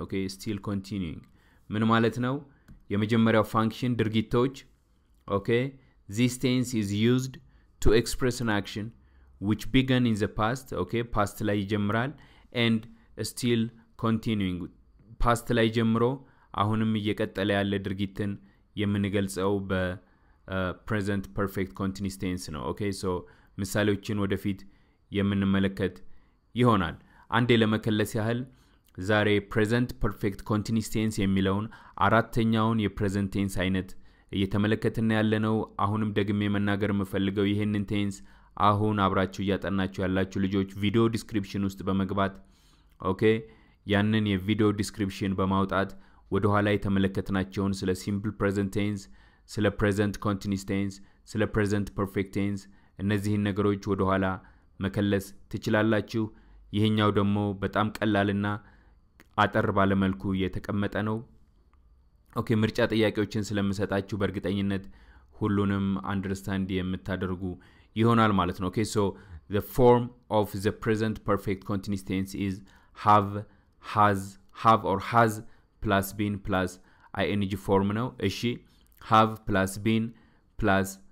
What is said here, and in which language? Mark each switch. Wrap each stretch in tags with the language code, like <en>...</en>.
<en>okay still continuing</en> <am>ምን ማለት ነው? የመጀመሪያው function ድርጊቶች.</am> <en>okay this tense is used to express an action which began in the past.</en> <am>okay past ላይ ይጀምራል.</am> <en>and still continuing</en> <am>past ላይ ጀምሮ አሁንም እየቀጠለ ያለ ድርጊትን የምንገልጸው በ present perfect continuous tense ነው. okay so ምሳሌዎችን ወደፊት የምንመለከት ይሆናል. አንዴ ለመከለስ ያህል ዛሬ present perfect continuous tense የሚለውን አራተኛውን የpresent tense አይነት እየተመለከተን ያለነው. አሁንም ደግሜ መናገር መፈልገው ይሄንን tense አሁን አብራችሁ ያጠናችሁ ያላችሁ ልጆች ቪዲዮ ዲስክሪፕሽን ውስጥ በመግባት ኦኬ ያንን የቪዲዮ ዲስክሪፕሽን በማውጣት ወደ ኋላ የተመለከትናቸውን ስለ ሲምፕል ፕሬዘንት ቴንስ ስለ ፕሬዘንት ኮንቲኒስ ቴንስ ስለ ፕሬዘንት ፐርፌክት ቴንስ እነዚህን ነገሮች ወደ ኋላ መከለስ ትችላላችሁ. ይሄኛው ደግሞ በጣም ቀላልና አጠር ባለ መልኩ የተቀመጠ ነው. ኦኬ ምርጫ ጥያቄዎችን ስለምሰጣችሁ በእርግጠኝነት ሁሉንም አንደርስታንድ የምታደርጉ ይሆናል ማለት ነው። ኦኬ ሶ</am> <en>the form of the present perfect continuous tense is have has have or has plus been plus ing form now እሺ have plus been plus</en>